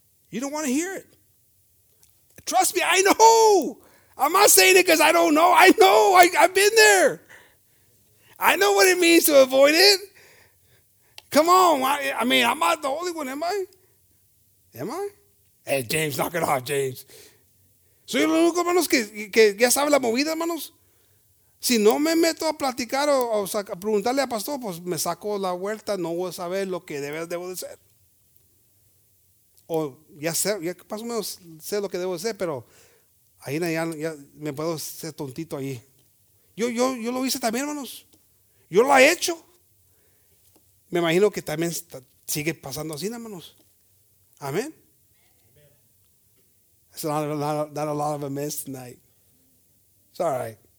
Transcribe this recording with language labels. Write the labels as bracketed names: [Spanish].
[English] You don't want to hear it. Trust me, I know. I'm not saying it because I don't know. I know. I've been there. I know what it means to avoid it. Come on. I mean, I'm not the only one, am I? Am I? Hey, James, knock it off, James. [Spanish] Soy el único, hermanos, que ya sabe la movida, hermanos. Si no me meto a platicar o a preguntarle a pastor, pues me saco la vuelta. No voy a saber lo que debo de ser. O ya sé, ya más o menos sé lo que debo de ser, pero ahí ya me puedo ser tontito ahí. Yo lo hice también, hermanos. Yo lo he hecho. Me imagino que también sigue pasando así, hermanos. Amén. [English] It's not a lot of a mess tonight. It's all right.